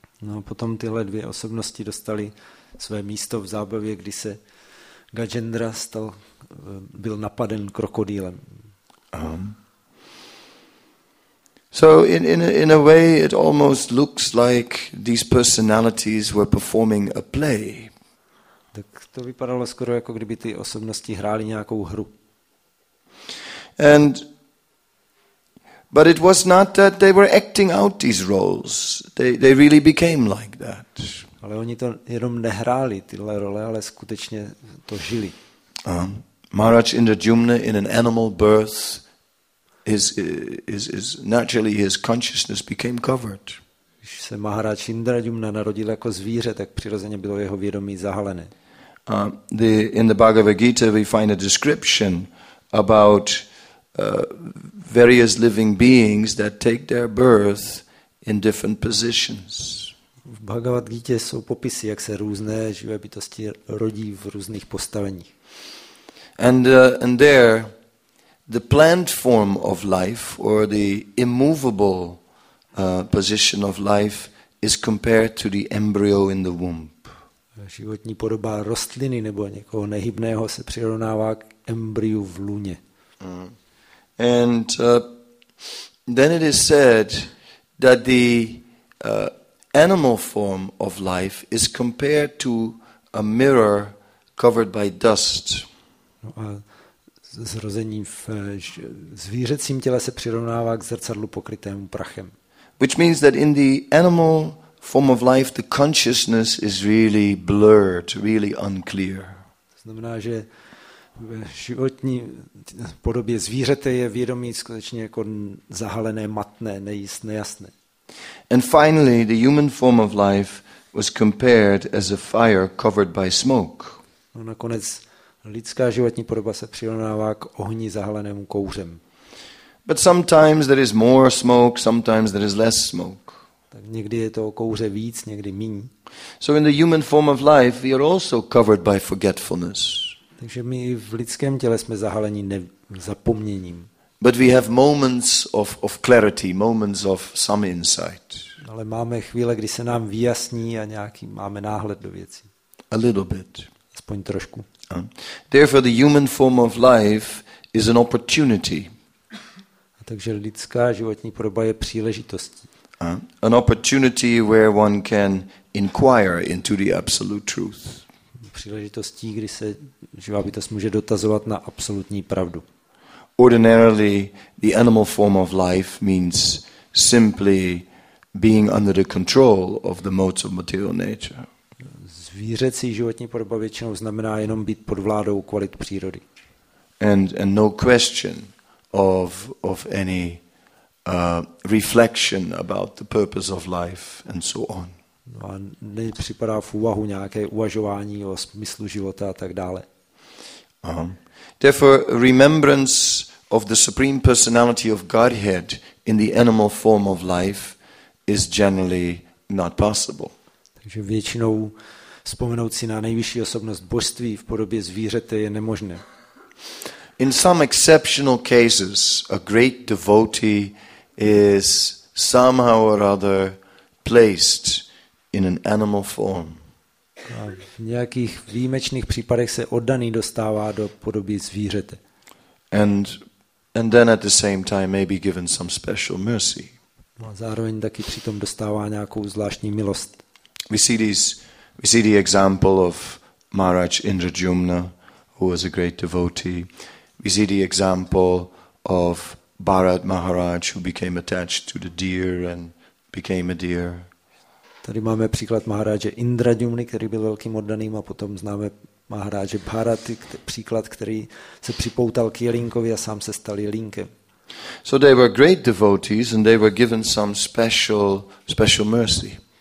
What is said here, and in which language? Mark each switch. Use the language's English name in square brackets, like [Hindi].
[Czech] No potom tyhle dvě osobnosti dostali své místo v zábavě, kdy se Gajendra byl napaden krokodýlem. [English] So in a way it almost looks like these personalities were performing a play. [Czech] Tak to vypadalo skoro jako kdyby ty osobnosti hrály nějakou hru. [English] But it was not that they were acting out these roles. They really became like that. [Czech] Ale oni to jenom nehráli tyhle role, ale skutečně to žili. [English] Maharaj Indrajumna in an animal birth is naturally his consciousness became covered. [Czech] Když se Maharaj Indrajumna narodil jako zvíře, tak přirozeně bylo jeho vědomí zahalené. [English] In the Bhagavad Gita we find a description about various living beings that take their birth in different positions. [Czech] V Bhagavad Gita jsou popisy, jak se různé živé bytosti rodí v různých postaveních. [English] And there the plant form of life or the immovable position of life is compared to the embryo in the womb. [Czech] Životní podoba rostliny nebo někoho nehybného se přirovnává k embryu v lůně. [English] And then it is said that the animal form of life is compared to a mirror covered by dust. [Czech] No a zrození v zvířecím těle se přirovnává k zrcadlu pokrytému prachem. [English] Which means that in the animal form of life the consciousness is really blurred, really unclear. [Czech] To znamená, že v životní podobě zvířete je vědomí skutečně jako zahalené, matné, nejistné, jasné. [English] And finally the human form of life was compared as a fire covered by smoke. [Czech] No nakonec lidská životní podoba se přirovnává k ohni zahalenému kouřem. [English] But sometimes there is more smoke, sometimes there is less smoke. [Czech] Tak někdy je to kouře víc, někdy míň. [English] So in the human form of life we are also covered by forgetfulness. [Czech] Takže my i v lidském těle jsme zahaleni zapomněním. [English] But we have moments of clarity, moments of some insight. [Czech] Ale máme chvíle, kdy se nám vyjasní a nějaký máme náhled do věcí. [English] A little bit. [Czech] Aspoň trošku. [English] Therefore the human form of life is an opportunity. [Czech] A takže lidská životní podoba je příležitostí. [English] An opportunity where one can inquire into the absolute truth. [Czech] Příležitostí, kdy se živá bytost může dotazovat na absolutní pravdu. [English] Ordinarily the animal form of life means simply being under the control of the modes of material nature. [Czech] Zvířecí životní podoba většinou znamená jenom být pod vládou kvalit přírody. [English] and no question of any reflection about the purpose of life and so on. [Czech] No a nepřipadá v úvahu nějaké uvažování o smyslu života a tak dále. [English] Therefore, remembrance of the Supreme Personality of Godhead in the animal form of life is generally not possible. [Czech] Takže většinou vzpomenout si na nejvyšší osobnost božství v podobě zvířete je nemožné. [English] In some exceptional cases, a great devotee is somehow or other placed in an animal form. [Czech] A v nějakých výjimečných případech se oddaný dostává do podoby zvířete. [English] And then at the same time may be given some special mercy. [Czech] A zároveň taky přitom dostává nějakou zvláštní milost. [English] We see the example of Maharaj Indrajumna, who was a great devotee. We see the example of Bharat Maharaj, who became attached to the deer and became a deer. [Czech] Tady máme příklad Maharaje Indrajumny, který byl velkým oddaným, a potom známe Maharaje Bharat, příklad, který se připoutal k jelínkovi a sám se stal jelínkem. [English] So they were great devotees and they were given some special mercy.